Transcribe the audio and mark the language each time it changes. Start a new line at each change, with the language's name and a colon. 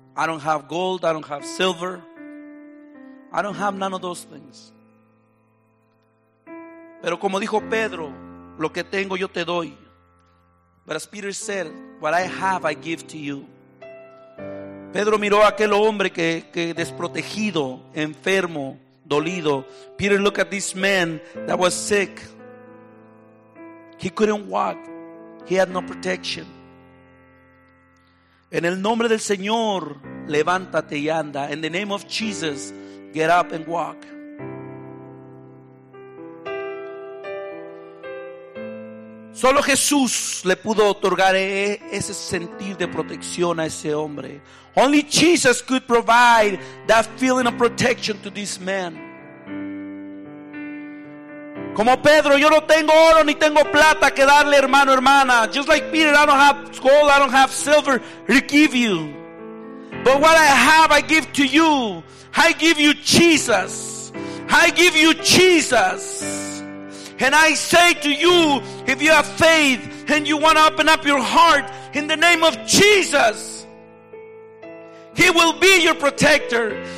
English: I don't have gold, I don't have silver. I don't have none of those things.
Spanish: Pero como dijo Pedro, lo que tengo yo te doy.
English: But as Peter said, what I have I give to you.
Spanish: Pedro miró a aquel hombre que desprotegido, enfermo, dolido.
English: Peter looked at this man that was sick. He couldn't walk. He had no protection.
Spanish: En el nombre del Señor, levántate y anda.
English: In the name of Jesus, get up and walk.
Spanish: Solo Jesús le pudo otorgar ese sentir de protección a ese hombre.
English: Only Jesus could provide that feeling of protection to this man.
Spanish: Como Pedro, yo no tengo oro ni tengo plata que darle, hermano, hermana.
English: Just like Peter, I don't have gold, I don't have silver to give you. But what I have, I give to you. I give you Jesus. I give you Jesus. And I say to you, if you have faith and you want to open up your heart in the name of Jesus, He will be your protector.